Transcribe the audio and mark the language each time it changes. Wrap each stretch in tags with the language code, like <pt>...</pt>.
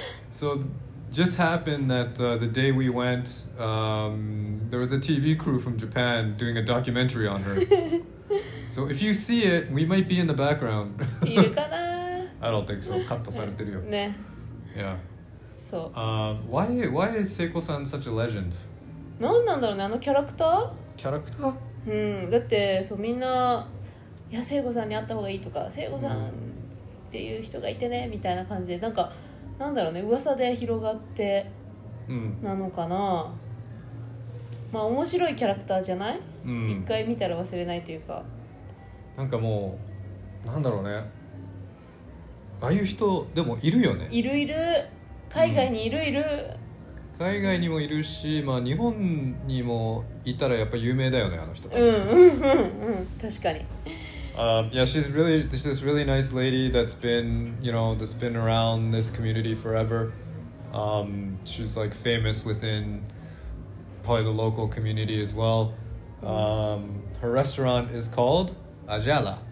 <en>So just happened that the day we went, there was a TV crew from Japan doing a documentary on her. So if you see it, we might be in the background.</en> <ja>いるかな?</ja> <en>I don't think so.</en> <ja>カットされてるよ。ね。</ja> <en>Yeah.</en> <ja>そう。</ja> <en>Why is Seiko-san such a legend?</en> <ja>なんなんだろうね、あのキャラクター? キャラクター? だって、そう、みんな、いや、Seiko-san に会った方がいいとか、Seiko-san っていう人がいてね、みたいな感じで、なんか、なんだろうね、噂で広がってなのかな。まあ、面白いキャラクターじゃない?一回見たら忘れないというか。なんかもう、なんだろうね、ああいう人でもいるよね。いるいる、海外にいるいる、海外にもいるし、まあ日本にもいたらやっぱ有名だよね、あの人。確かに。</ja> <en>Yeah, she's really, she's this really nice lady that's been, you know, that's been around this community forever. She's like famous within probably the local community as well. Her restaurant is calledAjala.</en>